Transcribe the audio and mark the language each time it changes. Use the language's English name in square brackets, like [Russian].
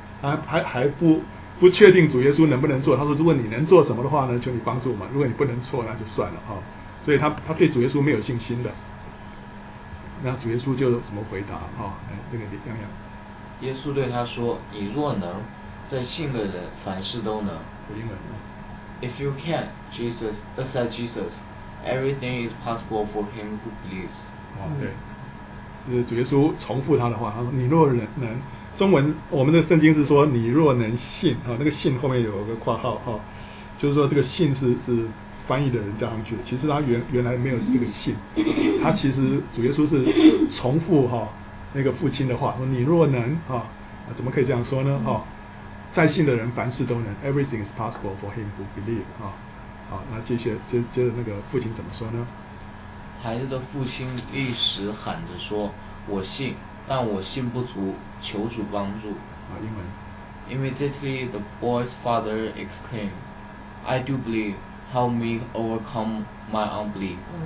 [Chinese] 他还不确定主耶稣能不能做。他说如果你能做什么的话呢，求你帮助我们；如果你不能做，那就算了啊。所以他对主耶稣没有信心的。那主耶稣就怎么回答啊？哎，这个杨洋。耶稣对他说：“你若能，在信的人凡事都能。” 英文。 [English] If you can, Jesus, said Jesus, everything is possible for him who believes. [Chinese] 对，就是主耶稣重复他的话，他说：“你若能。” 中文我们的圣经是说：“你若能信。” 啊，那个“信”后面有个括号哈，就是说这个“信”是翻译的人加上去的。其实他原来没有这个“信”，他其实主耶稣是重复哈。那个父亲的话说，你若能啊，怎么可以这样说呢啊，在信的人凡事都能， [English] everything is possible for him who believe [Chinese] 啊。好，那接着那个父亲怎么说呢？孩子的父亲一时喊着说，我信，但我信不足，求主帮助啊。英文。 [English] Immediately the boy's father exclaimed, I do believe, help me overcome my unbelief.